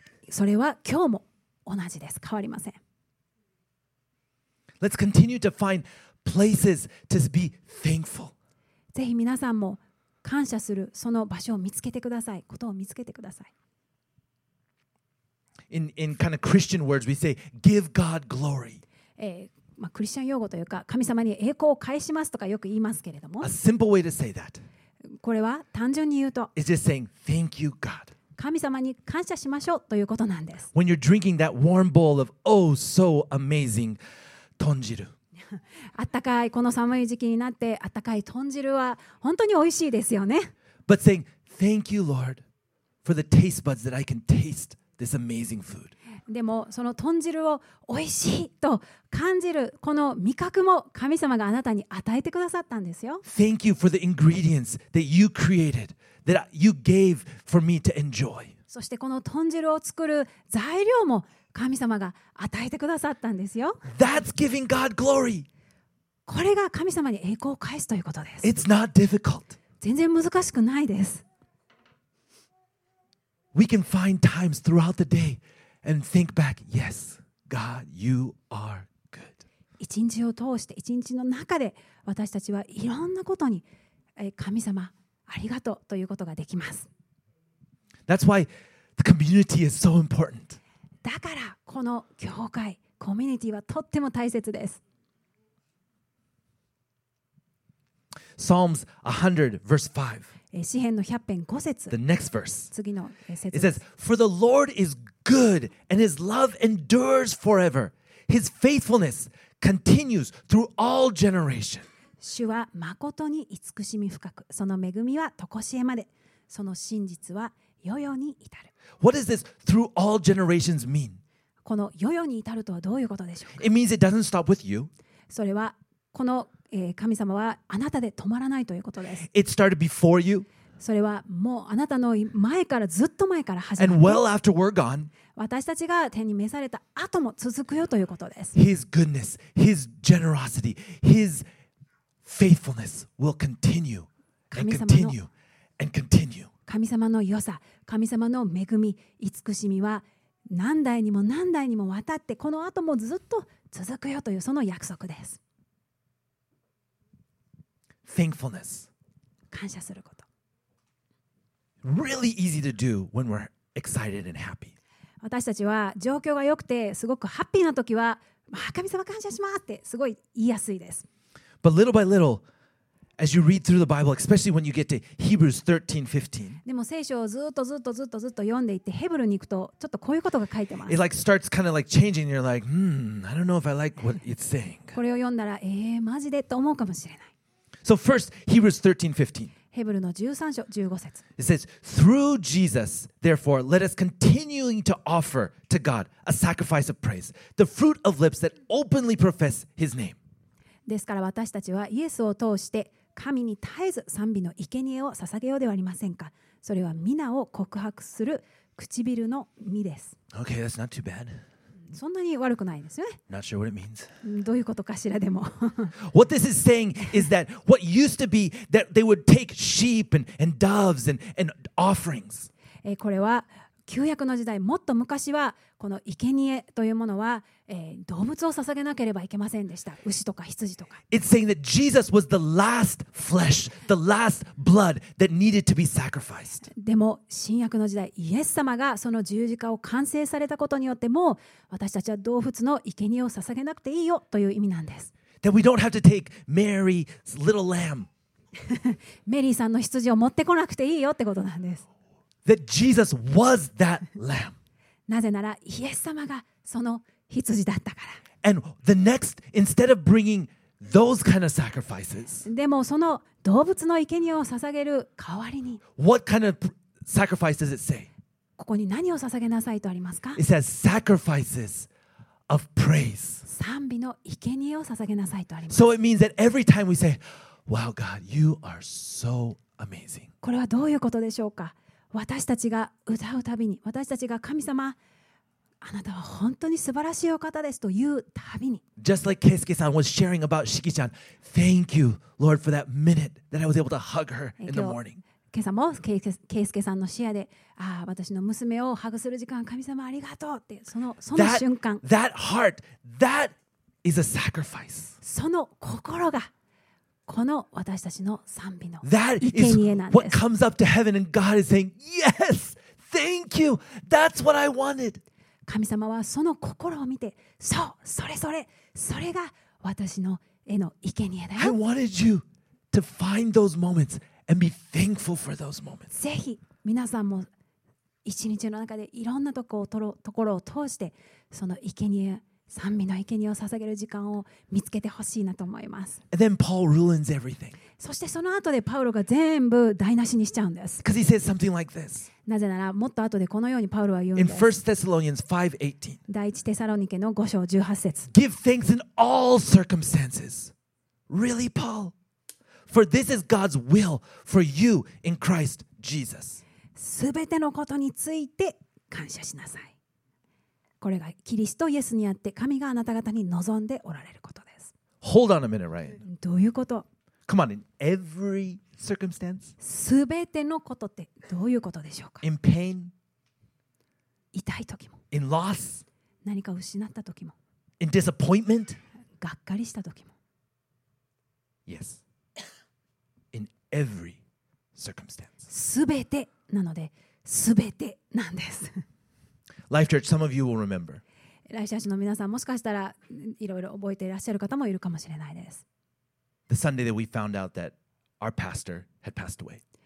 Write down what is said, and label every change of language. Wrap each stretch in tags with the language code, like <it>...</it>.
<ja>それは今日も同じです。変わりません。</ja> <en>Let's continue to find places to be thankful.</en> <ja>ぜひ皆さんも感謝するその場所を見つけてください。ことを見つけてください。</ja> <en>In kind of Christian words, we say, give God glory.</en> <ja>まあ、クリスチャン用語というか神様に栄光を返しますとかよく言いますけれども</ja> <en>A simple way to say that.</en> <ja>これは単純に言うと</ja> <en>It's just saying, thank you, God.</en> <ja>神様に感謝しましょうということなんです</ja> <en>When you're drinking that warm bowl of oh so amazing 豚汁</en> <ja>温かいこの寒い時期になって温かい豚汁は本当に美味しいですよね</ja> <en>But saying, thank you, Lord, for the taste buds that I can taste this amazing food</en> <ja>でもその豚汁を美味しいと感じるこの味覚も神様があなたに与えてくださったんですよ。</ja> <en>Thank you for the ingredients that you created, that you gave for me to enjoy.</en> <ja>そしてこの豚汁を作る材料も神様が与えてくださったんですよ。</ja> <en>That's giving God glory.</en> <ja>これが神様に栄光を返すということです。</ja> <en>It's not difficult.</en> <ja>全然難しくないです。</ja> <en>We can find times throughout the day. And think back, yes, God, you are good.</en> <ja>一日を通して一日の中で私たちはいろんなことに神様ありがとうということができます。</ja> <en>That's why the community is so important.</en> <ja>だからこの教会、コミュニティはとっても大切です。</ja> <en>Psalms 100 verse 5.</en> <ja>詩編の100編5節</ja> <en>The next verse.</en> <ja>次の節</ja> <en>It says, For the Lord is good, and His love endures forever. His faithfulness continues through all generations.</en> <ja>主は誠に慈しみ深く、その恵みは常しえまで、その真実は世々に至る。</ja> <en>What does this through all generations mean?</en> <ja>この世々に至るとはどういうことでしょうか?</ja> <en>It means it doesn't stop with you.</en> <ja>それはこの神様はあなたで止まらないということです。</ja> <en>It started before you.</en> <ja>それはもうあなたの前からずっと前から始まる。</ja> <en>And well after we're gone.</en> <ja>私たちが天に召された後も続くよということです。</ja> <en>His goodness, His generosity, His faithfulness will continue and continue and continue.</en> <ja>神様の良さ、神様の恵み、慈しみは何代にも何代にもわたってこの後もずっと続くよというその約束です。</ja> <en>Thankfulness.</en> <ja>感謝すること。</ja> <en>Really easy to do when we're excited and happy.</en> <ja>私たちは状況が良くてすごくハッピーな時は、神様感謝しますってすごい言いやすいです。</ja> <en>But little by little, as you read through the Bible, especially when you get to Hebrews 13, 15,</en> <ja>でも聖書をずっとずっとずっとずっと読んでいってヘブルに行くとちょっとこういうことが書いてます。</ja> <en>It like starts kind of like changing. You're like, I don't know if I like what it's saying.</en> <ja>これを読んだら、マジでと思うかもしれない。</ja> <en>So first, Hebrews 13:15.</en> <ja>ヘブルの13章15節。</ja> <en>It says, "Through Jesus, therefore, let us continuing to offer to God a sacrifice of praise, the fruit of lips that openly profess His name."</en> <ja>ですから私たちはイエスを通して神に絶えず賛美の生贄を捧げようではありませんか。それは皆を告白する唇の実です。</ja> <en>Okay, that's not too bad.</en> <ja>そんなに悪くないですね。</ja> <en>Not sure what it means.</en> <ja>どういうことかしらでも。</ja> <en>What this is saying is that what used to be that they would take sheep and doves and offerings.</en> <ja>これは旧約の時代、もっと昔はこの生贄というものは動物を捧げなければいけませんでした。牛とか羊とか。</ja> <en>It's saying that Jesus was the last flesh, the last blood that needed to be sacrificed.</en> <ja>でも新約の時代、イエス様がその十字架を完成されたことによっても、私たちは動物の生贄を捧げなくていいよという意味なんです。</ja> <en>That we don't have to take Mary's little lamb.</en> <ja>メリーさんの羊を持ってこなくていいよってことなんです。</ja> <en>That Jesus was that lamb.</en> <ja>なぜならイエス様がその羊だったから。</ja> <en>And the next, instead of bringing Those kind of sacrifices.</en> <ja>でもその動物の生贄を捧げる代わりに。</ja> <en>What kind of sacrifice does it say?</en> <ja>ここに何を捧げなさいとありますか?</ja> <en>It says sacrifices of praise.</en> <ja>賛美の生贄を捧げなさいとあります。</ja> <en>So it means that every time we say, "Wow, God, you are so amazing."</en> <ja>これはどういうことでしょうか?私たちが歌うたびに、私たちが神様、あなたは本当に素晴らしいお方ですというたびに。</ja> <en>Just like Keisuke-san was sharing about Shiki-chan, thank you, Lord, for that minute that I was able to hug her in the morning.</en> <ja>今朝もケイスケさんのシェアで、ああ、私の娘をハグする時間、神様ありがとうって、その瞬間。</ja> <en>That heart, that is a sacrifice.</en> <ja>その心が。この私たちの賛美の生贄なんです。</ja> <en>That is what comes up to heaven and God is saying, Yes, thank you. That's what I wanted.</en> <ja>神様はその心を見て、そう、それが私の絵の生贄だよ。</ja> <en>I wanted you to find those moments and be thankful for those moments.</en> <ja>ぜひ皆さんも一日の中でいろんなところを通して、その生贄を賛美の生贄を捧げる時間を見つけてほしいなと思います。</ja> <en>And then Paul ruins everything.</en> <ja>そしてその後でパウロが全部台無しにしちゃうんです。</ja> <en>Because he says something like this.</en> <ja>なぜならもっと後でこのようにパウロは言うんです。</ja> <en>In 1 Thessalonians 5:18.</en> <ja>第一テサロニケの5章18節。</ja> <en>Give thanks in all circumstances. Really, Paul? For this is God's will for you in Christ Jesus.</en> <ja>すべてのことについて感謝しなさい。これがキリストイエスにあって神があなた方に望んでおられることです。</ja> <en>Hold on a minute, Ryan.</en> <ja>どういうこと?</ja> <en>Come on, in every circumstance?</en> <ja>すべてのことってどういうことでしょうか?</ja> <en>In pain?</en> <ja>痛い時も。</ja> <en>In loss?</en> <ja>何か失った時も。</ja> <en>In disappointment?</en> <ja>がっかりした時も。</ja> <en>Yes. In every circumstance.</en> <ja>すべてなので、すべてなんです。</ja> <en>Life Church, some of you will remember.</en> <ja>Life Church の皆さん、もしかしたらいろいろ覚えていらっしゃる方もいるかもしれないです。</ja> <en>The Sunday that we found out that our pastor had passed away.</en>